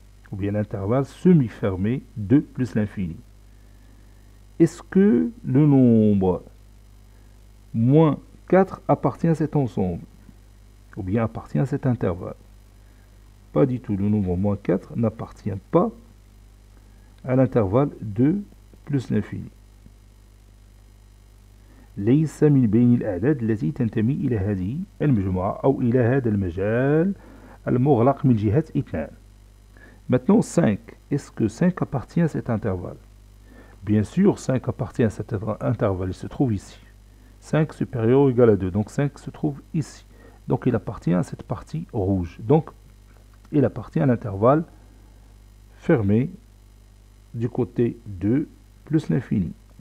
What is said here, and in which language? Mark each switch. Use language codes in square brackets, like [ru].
[fr] Ou bien l'intervalle semi-fermé 2 plus l'infini. Est-ce que le nombre moins 4 appartient à cet ensemble? Ou bien appartient à cet intervalle? Pas du tout, le nombre moins 4 n'appartient pas à l'intervalle 2 plus l'infini. [ar] ليس من بين الأعداد التي تنتمي إلى هذه المجموعة أو إلى هذا المجال المغلق من جهة 2. [fr] Maintenant 5. Est-ce que 5 appartient à cet intervalle? Bien sûr, 5 appartient à cet intervalle. Il se trouve ici. 5 supérieur ou égal à 2. Donc 5 se trouve ici. Donc il appartient à cette partie rouge. Donc il appartient à l'intervalle fermé du côté 2 plus l'infini.